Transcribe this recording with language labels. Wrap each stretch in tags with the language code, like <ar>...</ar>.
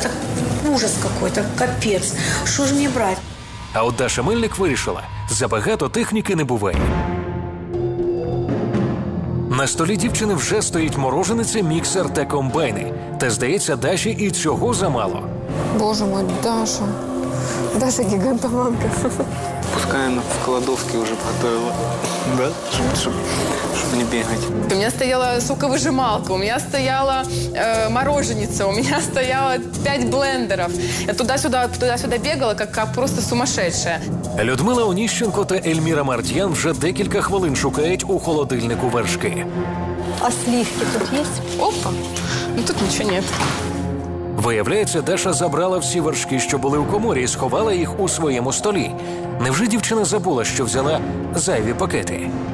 <uk>Це</uk> <ru>ужас какой-то,</ru> <uk>капець. Що ж мені брати? А от Даша Мельник вирішила, забагато техніки не буває. На столі дівчини вже стоїть морожениця, міксер та комбайни. Та, здається, Даші і цього замало.</uk> <ru>Боже мой, Даша, Даша гигантоманка. Пускай она в кладовке уже готовила. Да? Чтобы не бегать. У меня стояла соковыжималка, у меня стояла мороженица, у меня стояло 5 блендеров. Я туда-сюда бегала, как просто сумасшедшая.</ru> <uk>Людмила Оніщенко та Ельміра Мардьян вже декілька хвилин шукають у холодильнику вершки. А сливки тут є? Опа, ну тут нічого нет. Виявляється, Даша забрала всі вершки, що були у коморі, і сховала їх у своєму столі. Невже дівчина забула, що взяла зайві пакети?</uk>